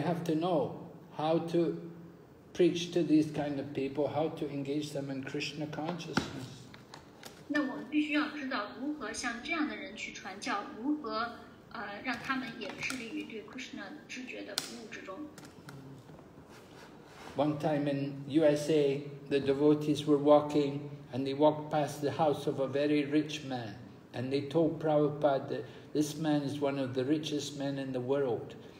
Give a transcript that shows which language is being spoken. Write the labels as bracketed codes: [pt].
[en] have to know how to preach to these kind of people, how to engage them in Krishna consciousness. [zh] 那我们必须要知道如何向这样的人去传教，如何让他们也致力于对 Krishna 知觉的服务之中。 [en] One time in USA, the devotees were walking and they walked past the house of a very rich man. And they told Prabhupada that this man is one of the richest men in the world.